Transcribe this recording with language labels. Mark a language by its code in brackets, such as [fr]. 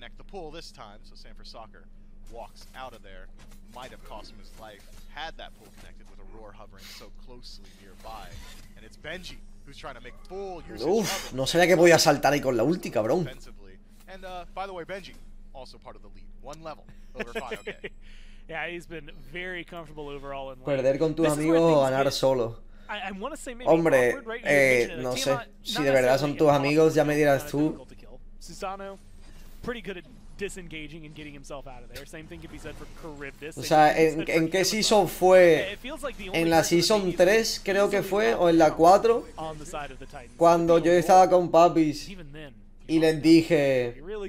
[en] Pull this time, so Sanford Soccer walks out of there. Might have cost him his life had that pull connected with Aurora hovering so closely nearby. And it's Benji who's trying to make full use of it. [es] No sabía que podía saltar ahí con la ulti, cabrón. [en] And by the way, Benji also part of the lead, one level over 5K. Yeah, he's been very comfortable overall in life. [es] Perder con tus amigos o ganar solo. Hombre, no sé. Si de verdad son tus amigos, ya me dirás tú. Susano. [en] Pretty good at disengaging and getting himself out of there. Same thing could be said for Charybdis. [es] O sea, ¿en qué season fue? En la season 3, creo que fue, o en la 4. Cuando yo estaba con Papis y les dije.